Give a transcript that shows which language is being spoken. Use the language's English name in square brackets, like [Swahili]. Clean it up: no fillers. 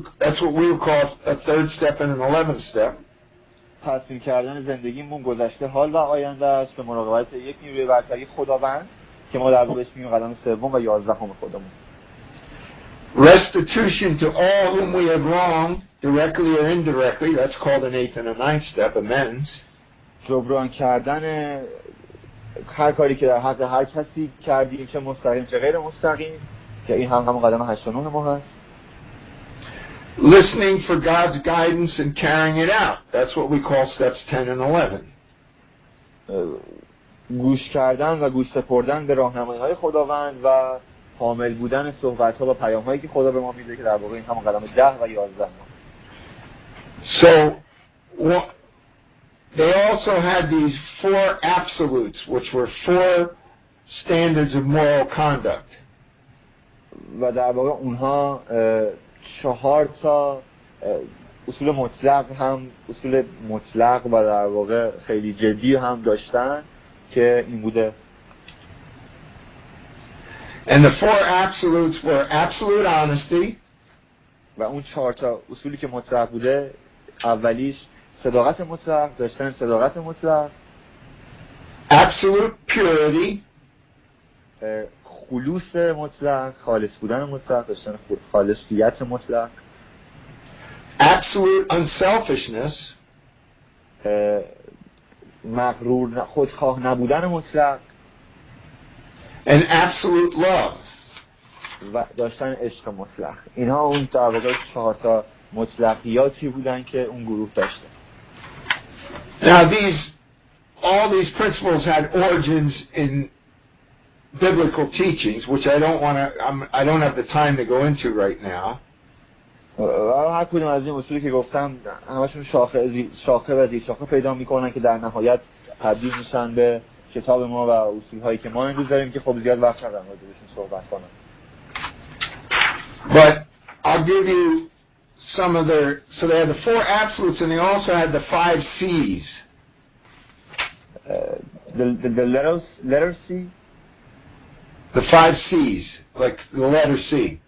[English] That's what we call a third step and an 11th step. [Persian] تسلیم کردن زندگیمون گذشته، حال و آینده است به مراقبت یک نیروی برتری خداوند که ما در واقع بهش میگیم قدم سوم و 11th خودمون. [English] Restitution to all whom we have wronged, directly or indirectly, that's called an eighth and a ninth step, amends. [Persian] جبران کردن هر کاری که در حق هر کسی کردیم، چه مستقیم چه غیر مستقیم، که این هم همون قدم 89 ما هست. [English] Listening for God's guidance and carrying it out, that's what we call steps 10 and 11. [Persian] گوش کردن و گوش سپردن به راهنمایی های خداوند و حامل بودن صحبت ها و پیام هایی که خدا به ما میده که در واقع این همون قدم 10 و 11 ما. [English] So they also had these four absolutes, which were four standards of moral conduct. [Persian] و در واقع اونها چهار تا اصول مطلق هم، اصول مطلق و در واقع خیلی جدی هم داشتن که این بوده. [English] And the four absolutes were absolute honesty. [Persian] و اون چهار تا اصولی که مطلق بوده، اولیش صداقت مطلق، داشتن صداقت مطلق. [English] Absolute purity. [Persian] خلوص مطلق، خالص بودن مطلق، داشتن خالصیت مطلق. [English] Absolute unselfishness. [Persian] مغرور، خودخواه نبودن مطلق. [English] An absolute love. [Persian] و داشتن عشق مطلق. اینها اون در واقع چهار تا مطلقیاتی بودن که اون گروه داشته. [English] Now all these principles had origins in biblical teachings, which I don't have the time to go into right now. [Persian] هر کدوم از این اصولی که گفتم همشون شاخه پیدا میکنن که در نهایت تبدیل میشن به کتاب ما و اصول هایی که ما این روز داریم که خب زیاد وقت ندارم راجع بهشون صحبت کنم. [English] But I'll give you some of their, so they had the four absolutes and they also had the five C's. The letter C? The five C's, like the letter C.